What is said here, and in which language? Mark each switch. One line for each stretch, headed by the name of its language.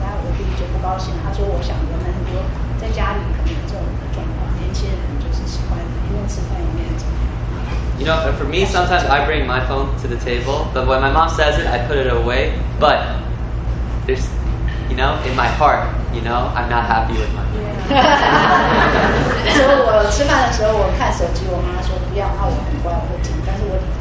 Chinese: 但我弟弟就不高兴，他说：“我想人们很多在家里可能有这种状况，年轻人就是喜欢一面吃饭一面怎么。”
English: You know, for me, sometimes I bring my phone to the table, but when my mom says it, I put it away. But there's, you know, in my heart, you know, I'm not happy with my phone.
Chinese: 所以我吃饭的时候，我看手机，我妈说不要，那我很乖，我会听，但是我。